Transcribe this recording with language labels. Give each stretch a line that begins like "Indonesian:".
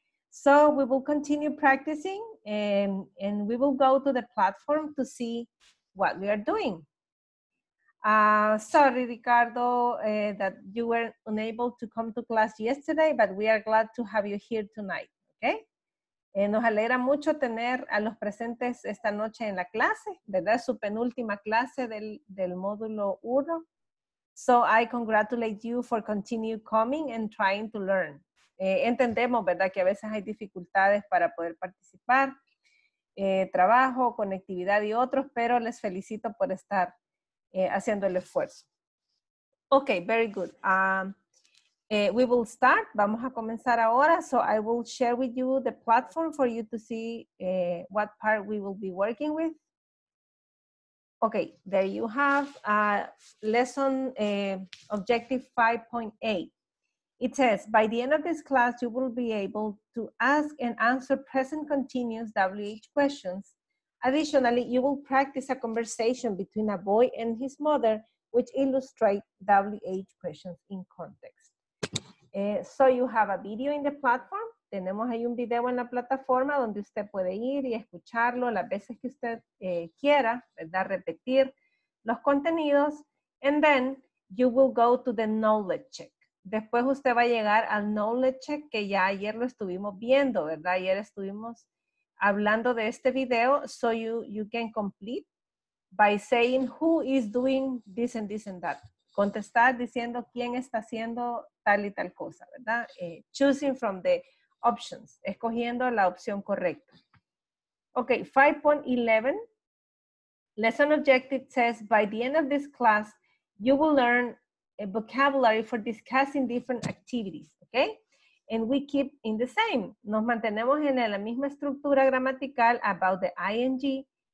English: So we will continue practicing and we will go to the platform to see what we are doing. Sorry, Ricardo, that you were unable to come to class yesterday, but we are glad to have you here tonight. Okay.
Spanish: Nos alegra mucho tener a los presentes esta noche en la clase, ¿verdad? Su penúltima clase del módulo 1.
English: So I congratulate you for continue coming and trying to learn.
Spanish: Entendemos, ¿verdad? Que a veces hay dificultades para poder participar, trabajo, conectividad y otros, pero les felicito por estar haciendo el esfuerzo.
English: Okay, very good. We will start.
Spanish: Vamos a comenzar ahora.
English: So I will share with you the platform for you to see what part we will be working with. Okay, there you have lesson objective 5.8. It says, by the end of this class, you will be able to ask and answer present continuous WH questions. Additionally, you will practice a conversation between a boy and his mother, which illustrate WH questions in context. So you have a video in the platform.
Spanish: Tenemos ahí un video en la plataforma donde usted puede ir y escucharlo las veces que usted quiera, ¿verdad? Repetir los contenidos.
English: And then you will go to the knowledge check.
Spanish: Después usted va a llegar al knowledge check que ya ayer lo estuvimos viendo, ¿verdad? Ayer estuvimos hablando de este video.
English: So you can complete by saying who is doing this and this and that.
Spanish: Contestar diciendo quién está haciendo tal y tal cosa, ¿verdad?
English: Choosing from the options,
Spanish: escogiendo la opción correcta.
English: Ok, 5.11, lesson objective says, by the end of this class, you will learn a vocabulary for discussing different activities, ¿ok? And we keep in the same.
Spanish: Nos mantenemos en la misma estructura gramatical
English: about the ing.